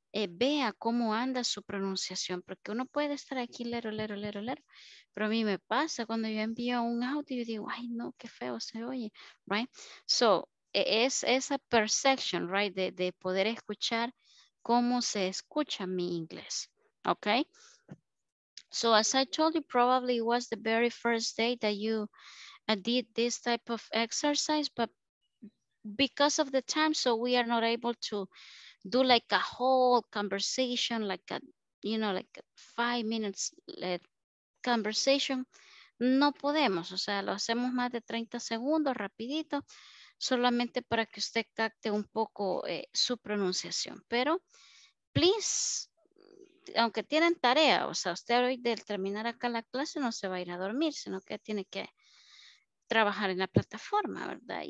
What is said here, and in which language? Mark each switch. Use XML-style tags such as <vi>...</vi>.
<es>vea cómo anda su pronunciación, porque uno puede estar aquí lero, lero, lero, lero, pero a mí me pasa cuando yo envío un audio y digo, ay no, qué feo se oye, right, so, es esa perception, right, de poder escuchar cómo se escucha mi inglés, okay?</es> <en>So as I told you, probably it was the very first day that you did this type of exercise, but because of the time, so we are not able to do like a whole conversation, like a, you know, like a 5 minutes conversation.</en> <es>No podemos, o sea, lo hacemos más de 30 segundos, rapidito, solamente para que usted capte un poco su pronunciación. Pero, please, aunque tienen tarea, o sea, usted hoy del terminar acá la clase no se va a ir a dormir, sino que tiene que trabajar en la plataforma, ¿verdad?</es>